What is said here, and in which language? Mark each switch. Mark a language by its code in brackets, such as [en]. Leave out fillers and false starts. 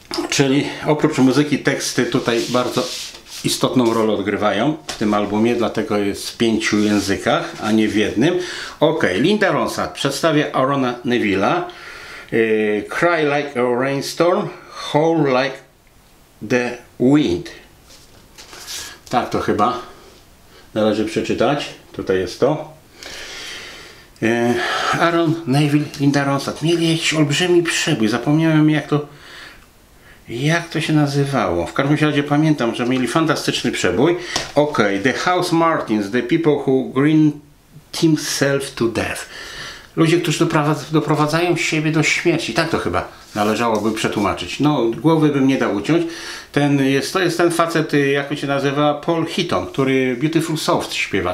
[pl] Czyli oprócz muzyki teksty tutaj bardzo istotną rolę odgrywają w tym albumie, dlatego jest w pięciu językach, a nie w jednym. Ok, Linda Ronstadt przedstawia Arona Neville'a. [en] Cry like a rainstorm, howl like the wind. [pl] Tak to chyba należy przeczytać. Tutaj jest to. Aaron Neville, Linda Ronstadt. Mieli jakiś olbrzymi przebój. Zapomniałem jak to się nazywało. W każdym razie pamiętam, że mieli fantastyczny przebój. [en] Ok, The House Martins, The People Who Grind Themselves to Death. [pl] Ludzie, którzy doprowadzają siebie do śmierci. Tak to chyba należałoby przetłumaczyć. No, głowy bym nie dał uciąć. To jest ten facet, jak on się nazywa, Paul Heaton, który Beautiful Soft śpiewa.